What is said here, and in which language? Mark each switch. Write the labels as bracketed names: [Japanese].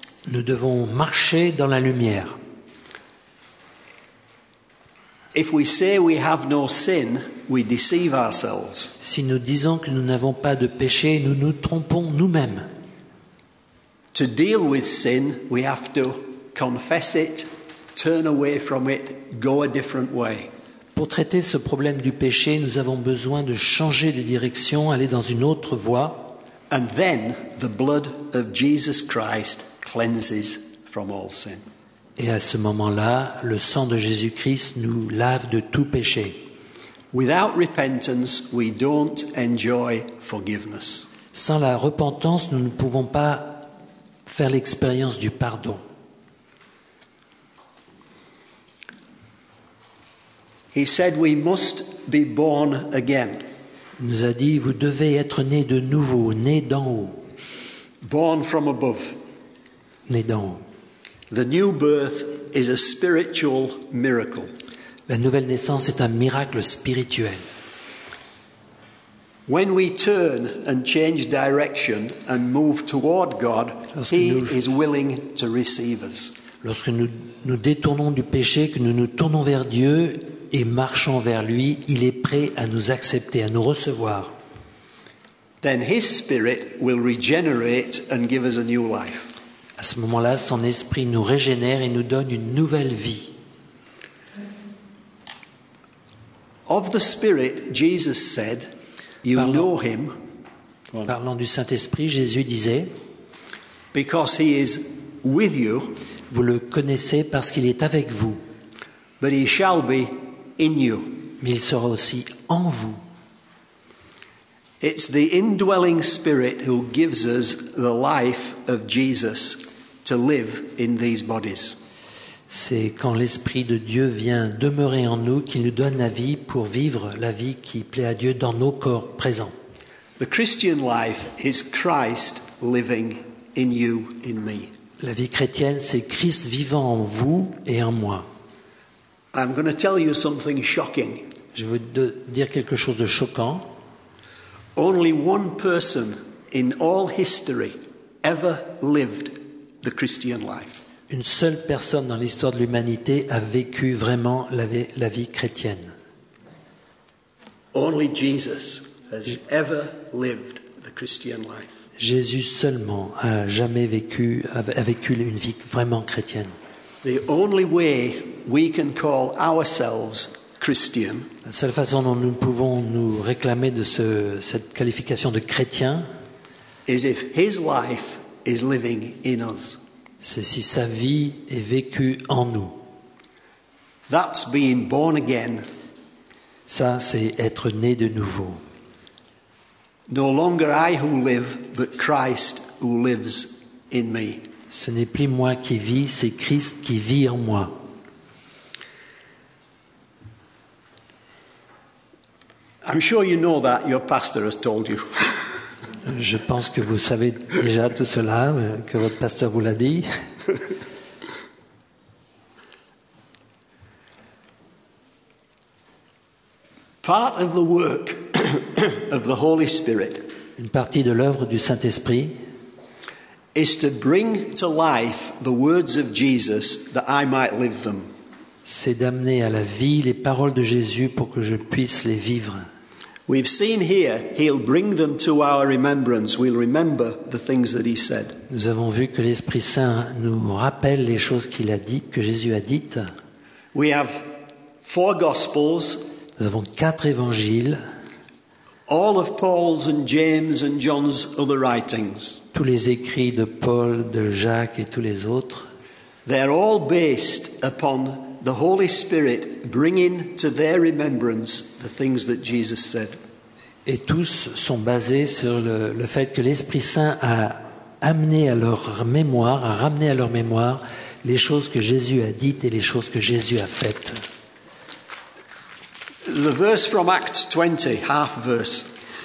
[French] Nous devons marcher dans la lumière. [English] If we say we have no sin, we deceive ourselves. [French] Si nous disons que nous n'avons pas de péché, nous nous trompons nous-mêmes. [English] To deal with sin, we have to confess it, turn away from it, go a different way. [French] Pour traiter ce problème du péché, nous avons besoin de changer de direction, aller dans une autre voie. [English] And then the blood of Jesus Christ cleanses from all sin. [French] Et à ce moment-là, le sang de Jésus-Christ nous lave de tout péché. [English] Without repentance, we don't enjoy forgiveness. [French] Sans la repentance, nous ne pouvons pas faire l'expérience du pardon. [English] He said we must be born again. [French] Il nous a dit, vous devez être né de nouveau, né d'en haut. [English] Born from above. [French] Né d'en haut. [English] The new birth is a spiritual miracle. [French] La nouvelle naissance est un miracle spirituel. [English] When we turn and change direction and move toward God, he is willing to receive us. [French] Lorsque nous détournons du péché, que nous nous tournons vers Dieu et marchons vers lui, il est prêt à nous accepter, à nous recevoir. [English] Then his spirit will regenerate and give us a new life. [French] À ce moment-là, son esprit nous régénère et nous donne une nouvelle vie. [English] Of the Spirit, Jesus said, you know him. [French] Parlant du Saint-Esprit, Jésus disait, [English] because he is with you, [French] vous le connaissez parce qu'il est avec vous. [English] But he shall be in you. [French] Mais il sera aussi en vous. [English] It's the indwelling Spirit who gives us the life of Jesus to live in these bodies. [French] C'est quand l'Esprit de Dieu vient demeurer en nous qu'il nous donne la vie pour vivre la vie qui plaît à Dieu dans nos corps présents. [English] The Christian life is Christ living in you, in me. [French] La vie chrétienne, c'est Christ vivant en vous et en moi. [English] I'm going to tell you something shocking. [French] Je vais vous dire quelque chose de choquant. [English] Only one person in all history ever lived the Christian life. [French] Une seule personne dans l'histoire de l'humanité a vécu vraiment la vie chrétienne. [English] Only Jesus has ever lived the Christian life. [French] Jésus seulement a jamais vécu, a vécu une vie vraiment chrétienne. [English] The only way we can call ourselves Christian. [French] La seule façon dont nous pouvons nous réclamer de ce, cette qualification de chrétien [English] is if his life is living in us. [French] C'est si sa vie est vécue en nous. [English] That's being born again. [French] Ça, c'est être né de nouveau. [English] No longer I who live, but Christ who lives in me. [French] Ce n'est plus moi qui vis, c'est Christ qui vit en moi. [English] I'm sure you know that your pastor has told you. [French] Je pense que vous savez déjà tout cela, que votre pasteur vous l'a dit. [English] Part of the work of the Holy Spirit. [French] Une partie de l'œuvre du Saint-Esprit [English] is to bring to life the words of Jesus that I might live them. [French] C'est d'amener à la vie les paroles de Jésus pour que je puisse les vivre. [English] We've seen here he'll bring them to our remembrance. We'll remember the things that he said. [French] Nous avons vu que l'Esprit Saint nous rappelle les choses qu'il a dit, que Jésus a dites. [English] We have four gospels. [French] Nous avons quatre évangiles. [English] All of Paul's and James and John's other writings. [French] Tous les écrits de Paul, de Jacques et tous les autres. [English] They're all based upon the Holy Spirit bringing to their remembrance the things that Jesus said. [French] Et tous sont basés sur le fait que l'Esprit Saint a amené à leur mémoire, a ramené à leur mémoire les choses que Jésus a dites et les choses que Jésus a faites. [English] The verse from Acts 20, half verse.